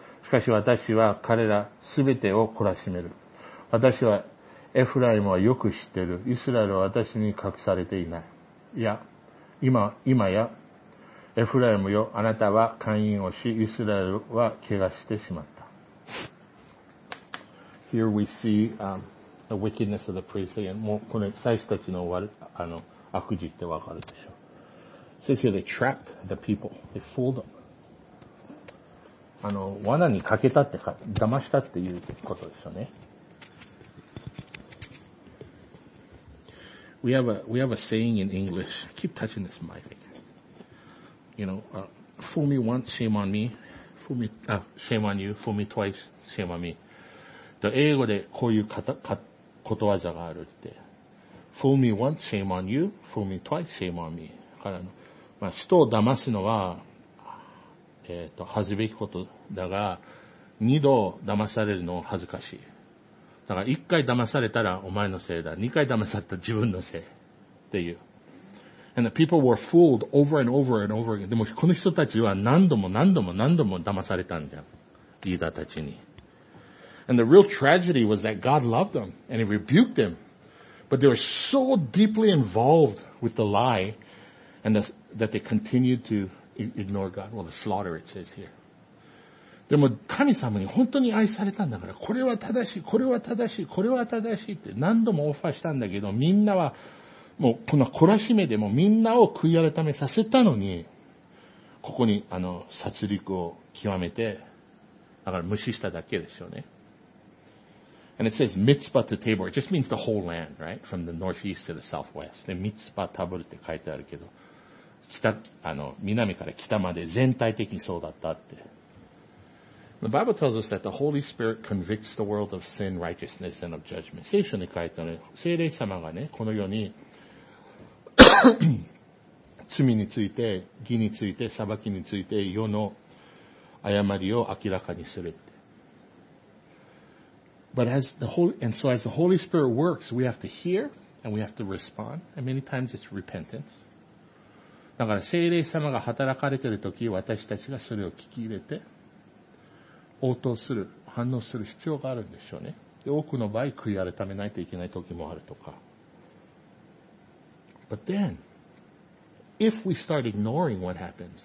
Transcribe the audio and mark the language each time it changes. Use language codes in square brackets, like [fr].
[ja] しかし私は彼らすべてを懲らしめる。私はエフライムはよく知っている。イスラエルは私に隠されていない。いや、今やエフライムよ、あなたは勧誘をし、イスラエルは怪我してしまった。 [en] Here we see, the wickedness of the priests again. [ja] もうこの祭司たちの悪事ってわかるでしょう。 [en] It says here they trapped the people. They fooled them. [ja] あの、罠にかけたってか、騙したっていうことですよね。 [en] We have a saying in English. Keep touching this mic. You know, fool me once, shame on me. Fool me, shame on you. Fool me twice, shame on me. [ja] と英語でこういうことわざがあるって。 [en] Fool me once, shame on you. Fool me twice, shame on me. [ja] だから、まあ、人を騙すのは、恥ずべきことだが、二度騙されるのは恥ずかしい。だから一回騙されたらお前のせいだ。二回騙されたら自分のせい。っていう。 [en] And the people were fooled over and over and over again. [ja] でもこの人たちは何度も何度も何度も騙されたんだよ。リーダーたちに。 [en] And the real tragedy was that God loved them and he rebuked them. But they were so deeply involved with the lie and that they continued to ignore God. Well, the slaughter it says here. [ja] でも神様に本当に愛されたんだから、これは正しい、これは正しい、これは正しいって何度もオファーしたんだけど、みんなはもうこの懲らしめでもみんなを悔い改めさせたのに、ここにあの殺戮を極めて、だから無視しただけですよね。 [en] And it says Mitzpah to Tabor. It just means the whole land, right? From the northeast to the southwest. [ja] で、Mitzpah Tabor って書いてあるけど、北、あの、南から北まで全体的にそうだったって。 [en] The Bible tells us that the Holy Spirit convicts the world of sin, righteousness, and of judgment. [ja] 聖書に書いてある聖霊様がね、この世に罪について、義について、裁きについて、世の誤りを明らかにするって。 [en] But as the Holy, and so as the Holy Spirit works, we have to hear and we have to respond. And many times it's repentance. [ja] だから聖霊様が働かれているとき、私たちがそれを聞き入れて、応答する、反応する必要があるんでしょうね。で、多くの場合、悔い改めないといけない時もあるとか。 [en] But then, if we start ignoring what happens,